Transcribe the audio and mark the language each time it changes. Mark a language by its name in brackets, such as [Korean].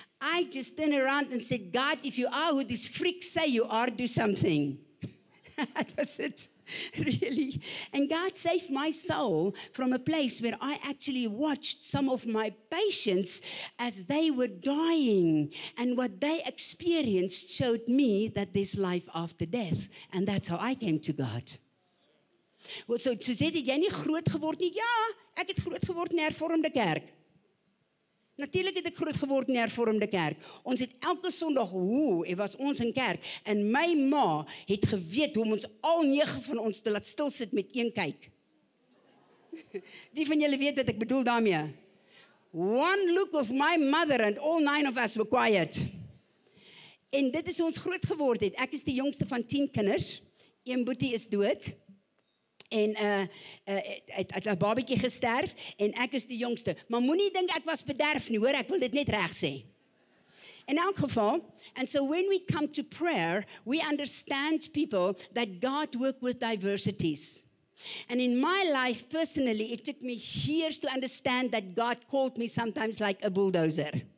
[English] I just turned around and said, God, if you are who these freaks say you are, do something. That was it. Really? And God saved my soul from a place where I actually watched some of my patients as they were dying. And what they experienced showed me that there's life after death. And that's how I came to God. [Afrikaans] Well, so Suzette, het jy nie groot geword nie? Ja, ek het groot geword in die hervormde kerk. Natuurlijk het ek groot geword in die hervormde kerk. Ons het elke Sondag, het was ons in kerk. En my ma het geweet hoe ons al 9 van ons te laat stilsit met een kyk. Die van julle weet wat ek bedoel daarmee. [English] One look of my mother and all 9 of us were quiet. [Afrikaans] En dit is ons groot geword het. Ek is die jongste van 10 kinders. Een boetie is dood. En het een babiekie gesterf, en ek is die jongste. Maar moet nie denk ek was bederf nie, hoor, ek wil dit net reg sê. In elk geval, [English] and so when we come to prayer, we understand people that God work with diversities. And in my life, personally, it took me years to understand that God called me sometimes like a bulldozer.